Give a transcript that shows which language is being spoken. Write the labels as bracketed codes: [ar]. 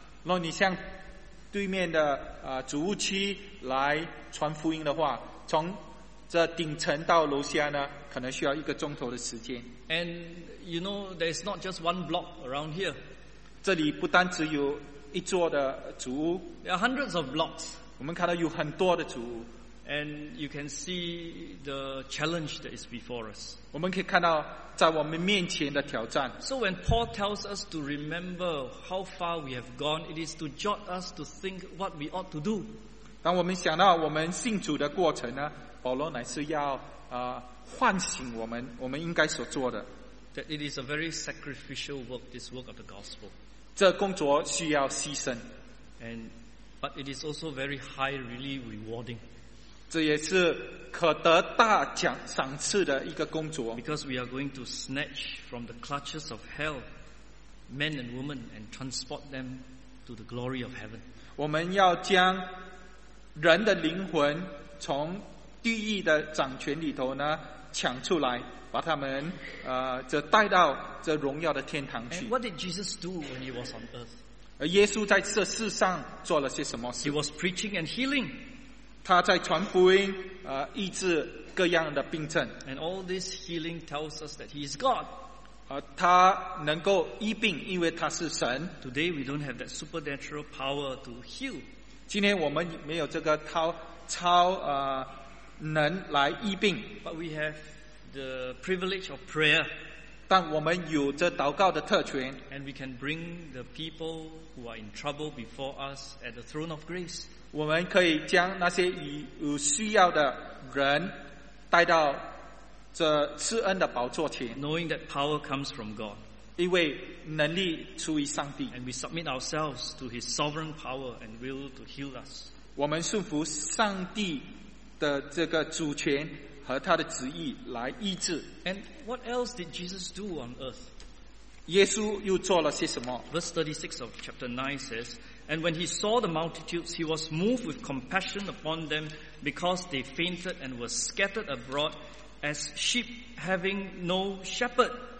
[zh] 如果你向对面的主屋区来传福音的话，从这顶层到楼下呢，可能需要一个钟头的时间。 [en] And you know there is not just one block around here. [zh] 这里不单只有一座的主屋。 [en] There are hundreds of blocks. [zh] 我们看到有很多的主屋。 [en] And you can see the challenge that is before us. [zh] 我们可以看到在我们面前的挑战。 [en] So when Paul tells us to remember how far we have gone, it is to jot us to think what we ought to do. [zh] 当我们想到我们信主的过程呢，保罗乃是要唤醒我们，我们应该所做的。 [en] That it is a very sacrificial work, this work of the gospel. [zh] 这工作需要牺牲。 [en] But it is also very highly rewarding. [zh] 这也是可得大奖赏赐的一个工作。 [en] Because we are going to snatch from the clutches of hell men and women and transport them to the glory of heaven. [zh] 我们要将人的灵魂从地狱的掌权里头呢抢出来，把他们这带到这荣耀的天堂去。 [en] And what did Jesus do when he was on earth? [zh] 而耶稣在这世上做了些什么事？ [en] He was preaching and healing. [zh] 他在传福音，医治各样的病症。 [en] And all this healing tells us that He is God. [zh] 他能够医病，因为他是神。 [en] Today we don't have that supernatural power to heal. [zh] 今天我们没有这个超能来医病。 [en] But we have the privilege of prayer. [zh] 但我们有这祷告的特权。 [en] And we can bring the people who are in trouble before us at the throne of grace. [zh] 我们可以将那些有需要的人带到这赐恩的宝座前， [en] knowing that power comes from God. [zh] 因为能力出于上帝。 [en] And we submit ourselves to His sovereign power and will to heal us. [zh] 我们顺服上帝的这个主权和他的旨意来医治。 [en] And what else did Jesus do on earth? [zh] 耶稣又做了些什么？ [en] Verse 36 of chapter 9 says,And when he saw the multitudes, he was moved with compassion upon them because they fainted and were scattered abroad as sheep having no shepherd.